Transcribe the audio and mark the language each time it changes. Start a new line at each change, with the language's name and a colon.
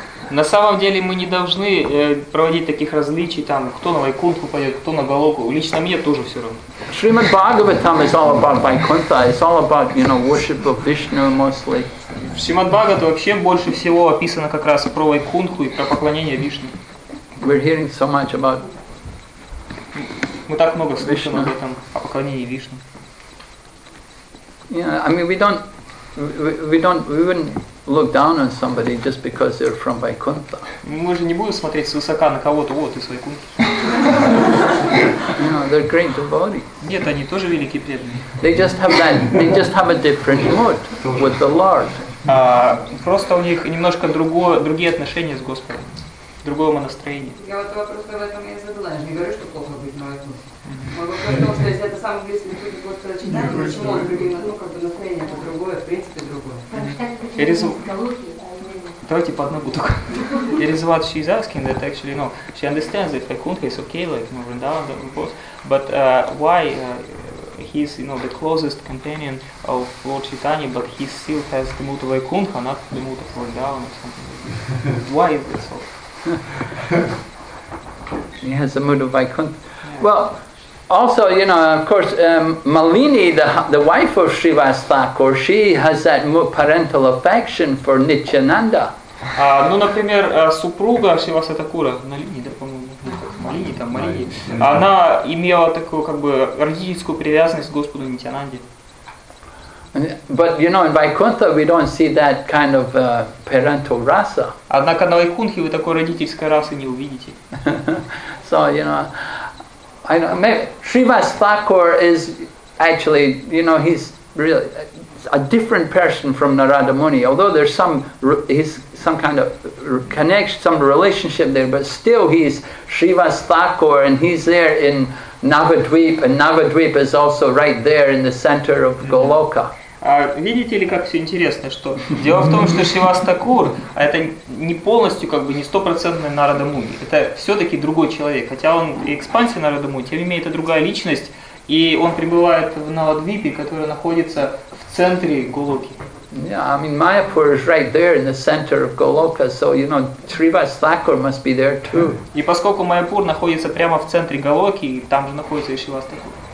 Russian: На самом деле мы не должны проводить таких различий там, кто на Вайкунтху пойдет, кто на Голоку. Лично мне тоже все равно.
English: Shrimad Bhagavatam is all about Vaikuntha. It's all about, you know, worship of Vishnu mostly.
Russian: В Shrimad Bhagavatam вообще больше всего описано как раз про Вайкунтху и про поклонение Вишне.
English: We're hearing so much about.
Russian: Мы так много слышим об этом, о поклонении Вишне.
English: Yeah, I mean, we wouldn't look down on somebody just because they're from Vaikuntha.
Russian: Мы же не будем смотреть свысока на кого-то, вот, из Вайкунтхи.
English: No, they're great devotees.
Russian: Нет, они тоже великие преданные.
English: They just have that, they just have a different mood with the Lord.
Russian: Просто у них немножко другие отношения с Господом. Другого настроения. Я вот вопрос об этом я задала. Я же не говорю, что плохо быть на Вайкунтхе. Мой вопрос в том, что если это самый близкий путь к Господу Чайтанье, почему он другим, ну, как бы настроение по-другое, в принципе, другое. Давайте по одному только.
English: It is what she's asking, that actually, no, she understands that Вайкунтха is okay, like, more and down, of course, but why he's, you know, the closest companion of Lord Chaitanya, but he still has the mood of Вайкунтха, not the mood of Вриндаван or something like that. Why is that so? He has the mood of Vaikuntha. Yeah. Well, also, you know, of course, Malini, the wife of Srivast Thakur, she has that parental affection for Nityananda.
Russian: Ну, например, супруга Шриваста Такура, Малини, да, по-моему, Малини, там, Малини, она имела такую, как бы, родительскую привязанность к Господу Нитянанде.
English: But you know, in Vaikuntha we don't see that kind of parental rasa.
Russian: Однако на Вайкунтхе вы такой родительской расы не увидите.
English: So you know, I know maybe Srivast Thakur is actually, you know, he's really a different person from Narada Muni. Although there's some relationship there, but still he's Srivast Thakur, and he's there in Navadvip, and Navadvip is also right there in the center of Goloka.
Russian: Видите ли, как все интересно, что дело в том, что Шривас Такур это не полностью, как бы, не стопроцентный Нарада Муни. Это все-таки другой человек. Хотя он и экспансия Нарада Муни, тем не менее, это другая личность, и он пребывает в Навадвипе, который находится в центре Голоки.
English: Yeah, I mean, Mayapur is right there in the center of Goloka, so, you know, Srivast Thakur must be there too.
Russian: И поскольку Майяпур находится прямо в центре Голоки, там же находится и Шривас Такур.